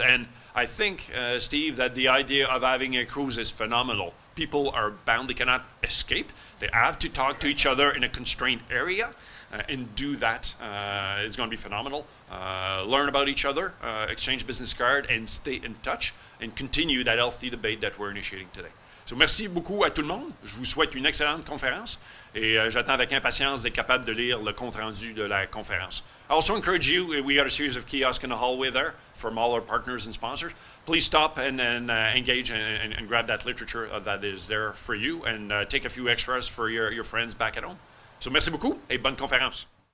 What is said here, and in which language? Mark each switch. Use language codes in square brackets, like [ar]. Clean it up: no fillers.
[en] And I think, Steve, that the idea of having a cruise is phenomenal. People are bound, they cannot escape. They have to talk to each other in a constrained area. And do that is going to be phenomenal. Learn about each other, exchange business card, and stay in touch, and continue that healthy debate that we're initiating today. [fr] So merci beaucoup à tout le monde. Je vous souhaite une excellente conférence, et j'attends avec impatience d'être capable de lire le compte-rendu de la conférence. [en] I also encourage you, we got a series of kiosks in the hallway there from all our partners and sponsors. Please stop and engage and grab that literature that is there for you, and take a few extras for your friends back at home. So [fr] merci beaucoup et bonne conférence.